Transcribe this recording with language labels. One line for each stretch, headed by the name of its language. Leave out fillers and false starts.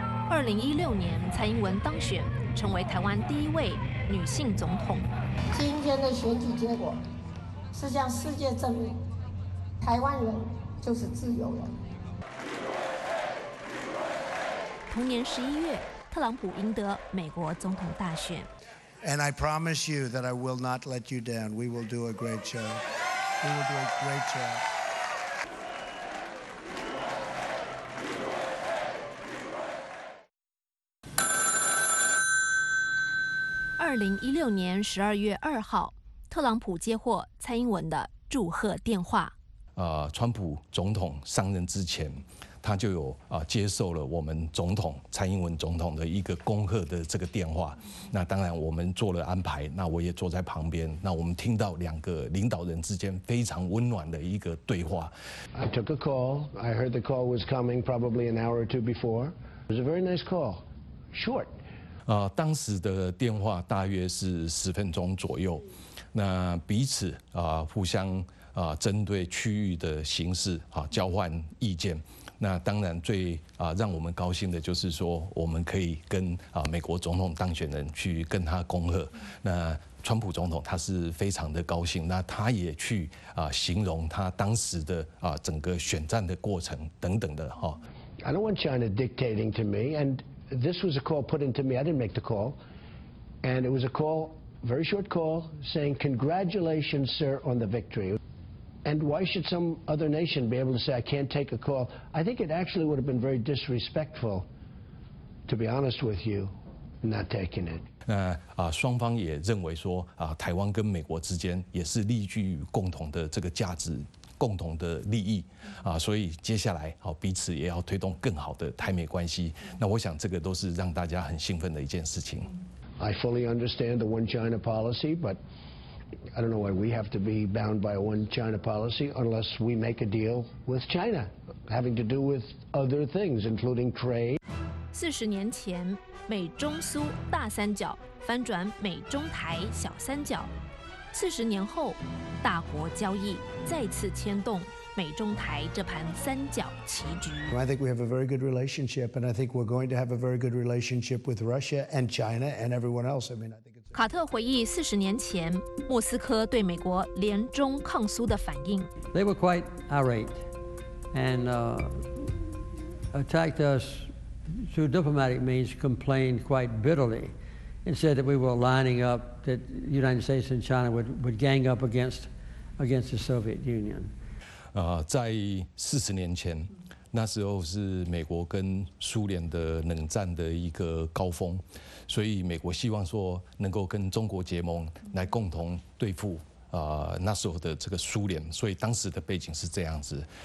Chinese: 2016年，蔡英文当选，成为台湾第一位女性总统。今天的选举结果是向世界证明，台湾人就是自由人。同年11月，特朗普赢得美国总统大选。
English: And I promise you that I will not let you down. We will do a great show. We will do a great show.
Chinese: 2016年12月2号，特朗普接获蔡英文的祝贺电话。川普总统上任之前，他就有接受了我们总统蔡英文总统的一个恭贺的这个电话。那当然我们做了安排，那我也坐在旁边，那我们听到两个领导人之间非常温暖的一个对话。
English: I took a call. I heard the call was coming probably an hour or two before. It was a very nice call. Short.
Chinese: 当时的电话大约是10分钟左右。那彼此互相针对区域的形势交换意见。那当然最让我们高兴的就是说，我们可以跟美国总统当选人去跟他恭贺。那川普总统他是非常的高兴，那他也去形容他当时的整个选战的过程等等的哈。
English: I don't want China dictating to me, and this was a call put into me. I didn't make the call, and it was a call, very short call, saying congratulations, sir, on the victory. And why should some other nation be able to say, I can't take a call? I think it actually would have been very disrespectful, to be honest with you, not taking it.
Chinese: 那双方也认为说台湾跟美国之间也是立据于共同的这个价值，共同的利益所以接下来彼此也要推动更好的台美关系。那我想这个都是让大家很兴奋的一件事情。
English: I fully understand the one China policy, butI don't know why we have to be bound by a one-China policy unless we make a deal with China, having to do with other things, including trade.
Chinese: 40年前，美中苏大三角翻转美中台小三角。 40年后，大国交易再次牵动美中台这盘三角棋局。
English: Well, I think we have a very good relationship, and I think we're going to have a very good relationship with Russia and China and everyone else. I mean, I think.
Chinese: 卡特回忆40年前莫斯科对美国联中抗苏的反应。
English: They were quite irate and attacked us through diplomatic means, complained quite bitterly, and said that we were lining up, that the United States and China would gang up against the Soviet Union.
Chinese: 在40年前，那时候是美国跟苏联的冷战的一个高峰。所以美国希望说能够跟中国结盟，来共同对付那时候的这个苏联，所以当时的背景是这样子。